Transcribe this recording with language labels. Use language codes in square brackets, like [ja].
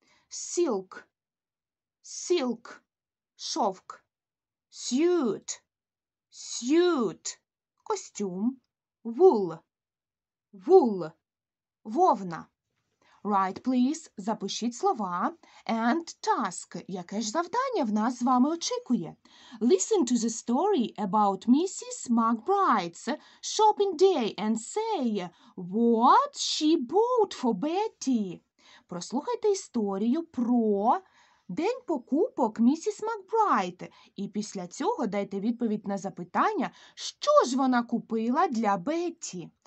[en] Silk. Silk. Шовк. Suit. Suit. Костюм. Wool. Wool. Вовна. Write, please. [uk] Запишіть слова. [en] And task. [uk] Яке ж завдання в нас з вами очікує? [en] Listen to the story about Mrs. McBride's shopping day and say what she bought for Betty. [uk] Прослухайте історію про день покупок Mrs. McBride. І після цього дайте відповідь на запитання, що ж вона купила для Бетті.